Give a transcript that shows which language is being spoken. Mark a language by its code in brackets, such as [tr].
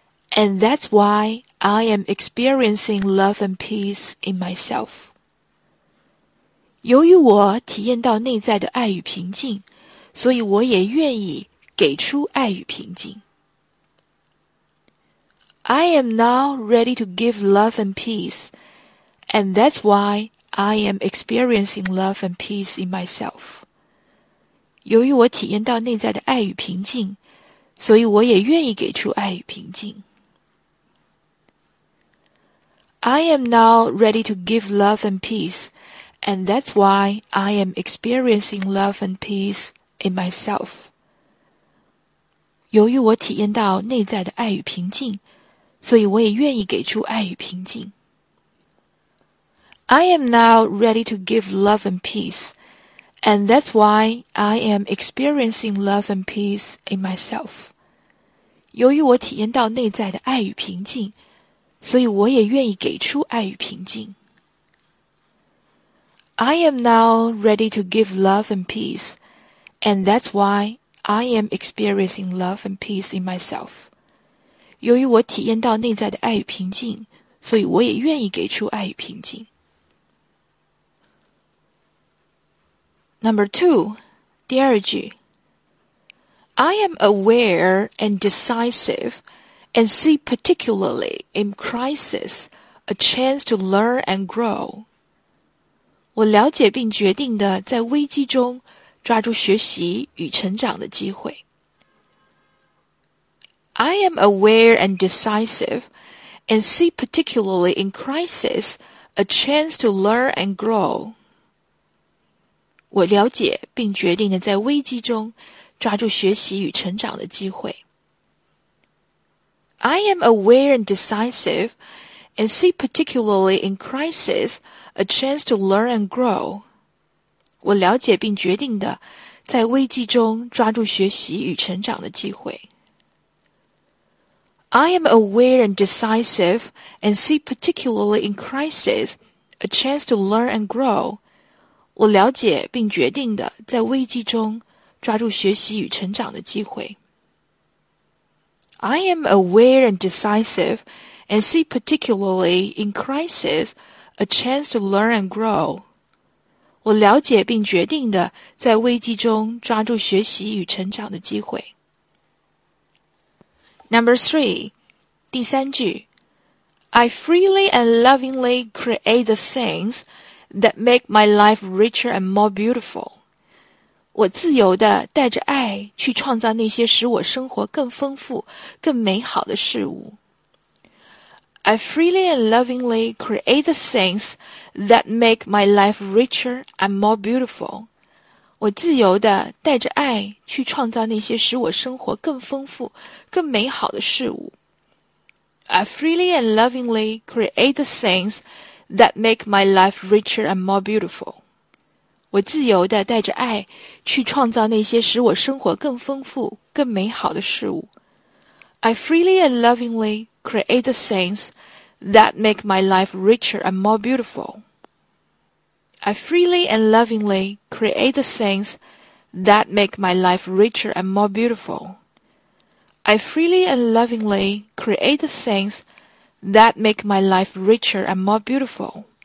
[en] And that's why I am experiencing love and peace in myself. [zh] 由于我体验到内在的爱与平静，所以我也愿意给出爱与平静。 [en] I am now ready to give love and peace, and that's why I am experiencing love and peace in myself. [zh] 由于我体验到内在的爱与平静，所以我也愿意给出爱与平静。 [en] I am now ready to give love and peace, and that's why I am experiencing love and peace in myself. [zh] 由于我体验到内在的爱与平静，所以我也愿意给出爱与平静。 [en] I am now ready to give love and peace, and that's why I am experiencing love and peace in myself. [zh] 由于我体验到内在的爱与平静，所以我也愿意给出爱与平静。 [en] I am now ready to give love and peace, and that's why I am experiencing love and peace in myself. [zh] 由于我体验到内在的爱与平静，所以我也愿意给出爱与平静。 [en] Number two, [zh] 第二句。 [en] I am aware and decisive,and see particularly in crisis a chance to learn and grow. [zh] 我了解并决定地在危机中抓住学习与成长的机会。 [en] I am aware and decisive, and see particularly in crisis a chance to learn and grow. [zh] 我了解并决定地在危机中抓住学习与成长的机会。 [en] I am aware and decisive, and see particularly in crisis a chance to learn and grow. [zh] 我了解并决定地在危机中抓住学习与成长的机会。 [en] I am aware and decisive, and see particularly in crisis a chance to learn and grow. [zh] 我了解并决定地在危机中抓住学习与成长的机会。 [en] I am aware and decisive, and see particularly in crisis a chance to learn and grow. [zh] 我了解并决定地在危机中抓住学习与成长的机会。 [en] Number three, [zh] 第三句。 [en] I freely and lovingly create the things that make my life richer and more beautiful. [zh] 我自由地带着爱去创造那些使我生活更丰富、更美好的事物。 [en] I freely and lovingly create the things that make my life richer and more beautiful. [zh] 我自由地带着爱去创造那些使我生活更丰富、更美好的事物。 [en] I freely and lovingly create the things that make my life richer and more beautiful. [zh] 我自由地带着爱去创造那些使我生活更丰富、更美好的事物。 [en] I freely and lovingly create the things that make my life richer and more beautiful. I freely and lovingly create the things that make my life richer and more beautiful. I freely and lovingly create the things that make my life richer and more beautiful.